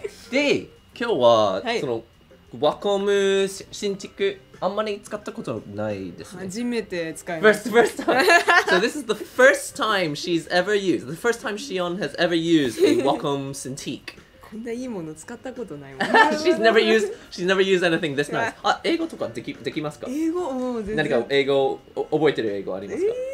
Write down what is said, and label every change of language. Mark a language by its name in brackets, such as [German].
[Japanese] で、今日はそのワコム新築あんまり使ったことないですね。初めて使います。 [English] First time. So this is the first time she's ever used. The first time Shion has ever used a Wacom Cintiq. [Japanese] こんないいもの使ったことないもん。 [English] She's never used anything this nice. [Japanese] あ、英語とかできますか? 英語、何か英語覚えてる英語ありますか?